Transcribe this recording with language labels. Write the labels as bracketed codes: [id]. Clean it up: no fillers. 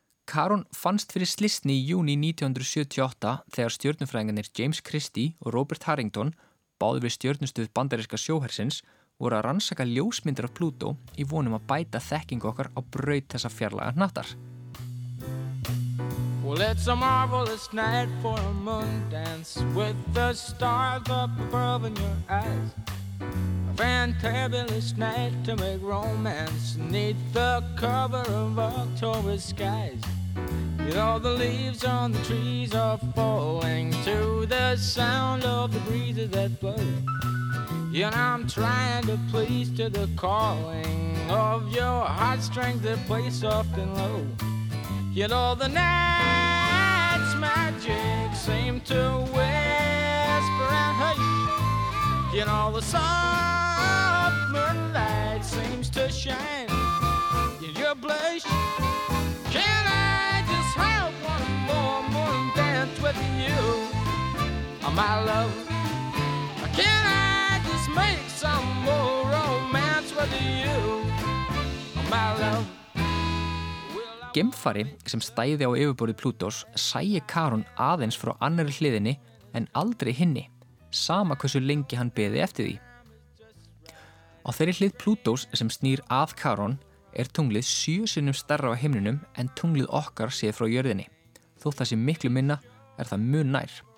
[is] Charon fannst fyrir slysni í júní 1978 þegar stjörnufræðingarnir James Christie og Robert Harrington, báðir við stjörnustöð bandaríska sjóhersins, voru að rannsaka ljósmyndir af Plútó í vonum að bæta þekkingu okkar á braut þessa fjarlæga hnattar. [en] Well, it's a marvelous night for a moon dance with the stars up above in your eyes. fantabulous night to make romance neath the cover of October skies. Yet all the leaves on the trees are falling to the sound of the breezes that blow. Yet I'm trying to please to the calling of your heartstrings that play soft and low. Yet all the night's magic seem to whisper and hush. Yet all the soft moonlight seems to shine in your blush. Can I just have one more morning dance with you, my love? Can I just make some more romance with you, my love? [is] Geimfari sem stæði á yfirborði Plútós sæi Karún aðeins frá annarri hliðinni en aldrei hinni, sama hversu lengi hann beði eftir því. Á þeirri hlið Plútós sem snýr að Karún er tunglið sjö sinnum stærra á himninum en tunglið okkar séð frá jörðinni, þó það sem miklu minna er það mun nær.